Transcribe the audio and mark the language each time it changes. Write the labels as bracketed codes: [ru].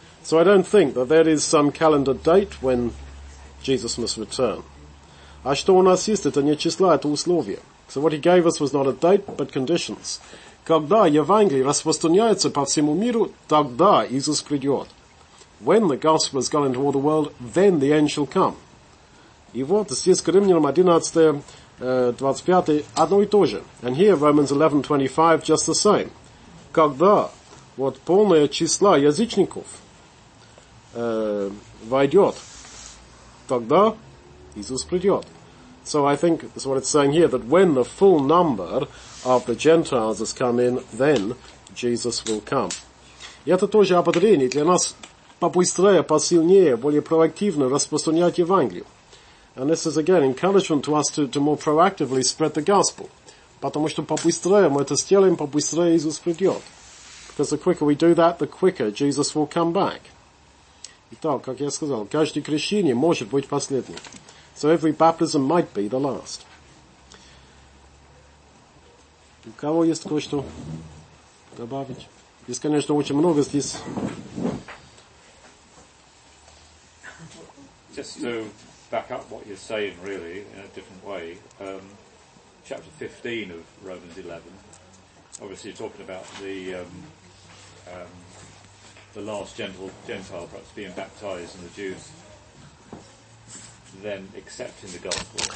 [en] So I don't think that there is some calendar date when Jesus must return. [ru] А что у нас есть, это не числа, это условия. [en] So what he gave us was not a date, but conditions. [ru] Когда Евангелие распространяется по всему миру, тогда Иисус придет. [en] When the gospel has gone into all the world, then the end shall come. [ru] И вот здесь к Римлянам 11:25 одно и то же. [en] And here, Romans 11:25, just the same. [ru] Когда вот полное число язычников войдет, тогда Иисус придет. [en] So I think that's what it's saying here, that when the full number of the Gentiles has come in, then Jesus will come. [ru] И это тоже ободрение для нас побыстрее, посильнее, более проактивно распространять Евангелие. [en] And this is again encouragement to us to more proactively spread the gospel. [ru] Потому что побыстрее мы это сделаем, побыстрее Иисус придет. [en] Because the quicker we do that, the quicker Jesus will come back. [ru] Итак, как я сказал, каждое крещение может быть последним. [en] So every baptism might be the last. [ru] У кого есть кое-что добавить? Есть, конечно, очень много здесь. [en] Just to back up what you're saying, really, in a different way, chapter 15 of Romans 11, obviously you're talking about the last Gentile perhaps being baptized and the Jews then accepting the gospel.